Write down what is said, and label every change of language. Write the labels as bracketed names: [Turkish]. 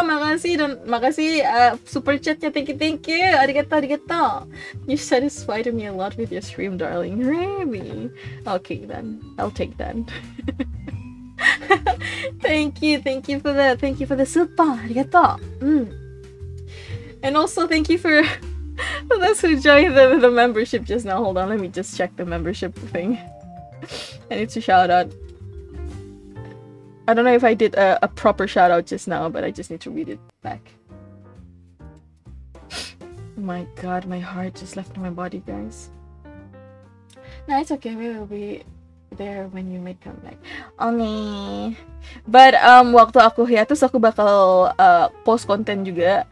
[Indonesian] Makasih dan makasih super chatnya. [English] Thank you. Arigato, arigato. You satisfied me a lot with your stream, darling. Really? Okay, then. I'll take that. Thank you for that. Thank you for the super. Arigato. And also, thank you for those who joined the membership just now. Hold on, let me just check the membership thing. I need to shout out. I don't know if I did a proper shout out just now, but I just need to read it back. Oh my god, my heart just left my body, guys. No, it's okay. We will be there when you make comeback. Only. [Indonesian] But waktu aku hiatus, aku bakal post konten juga.